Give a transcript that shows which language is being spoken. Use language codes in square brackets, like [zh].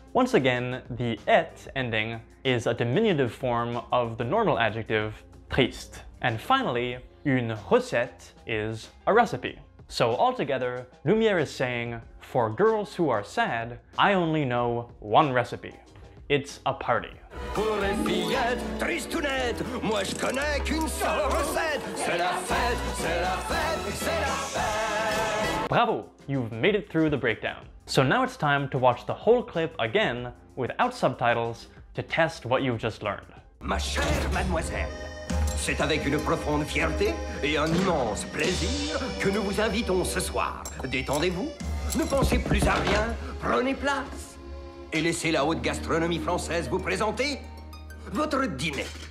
[en] Once again, the et ending is a diminutive form of the normal adjective triste. And finally, une recette is a recipe. So altogether, Lumière is saying, for girls who are sad, I only know one recipe. It's a party. [fr] Pour les fillettes tristounettes, moi je connais qu'une seule recette. C'est la fête, c'est la fête, c'est la fête. [en] Bravo, you've made it through the breakdown. So now it's time to watch the whole clip again without subtitles to test what you've just learned. [fr] Ma chère mademoiselle, c'est avec une profonde fierté et un immense plaisir que nous vous invitons ce soir. Détendez-vous, ne pensez plus à rien, prenez place et laissez la haute gastronomie française vous présenter votre dîner.